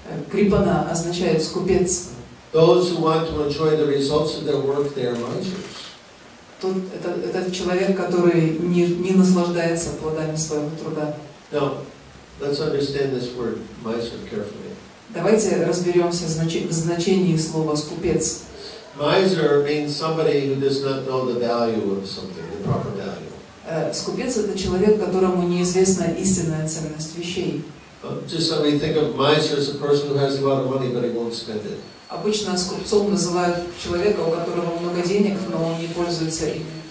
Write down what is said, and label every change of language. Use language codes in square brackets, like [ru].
[ru] Kripana означает скупец. [en] Those who want to enjoy the results of their work, they are misers. [ru] Это человек, который не наслаждается плодами своего труда. [en] Now, let's understand this word miser carefully. [ru] Давайте разберемся в значении слова «скупец». [en] Miser means somebody who does not know the value of something, the proper value. [ru] Скупец — это человек, которому неизвестна истинная ценность вещей. [en] Just like we think of miser as a person who has a lot of money, but he won't spend it. [ru] Обычно скупцом называют человека, у которого много денег, но он не пользуется ими.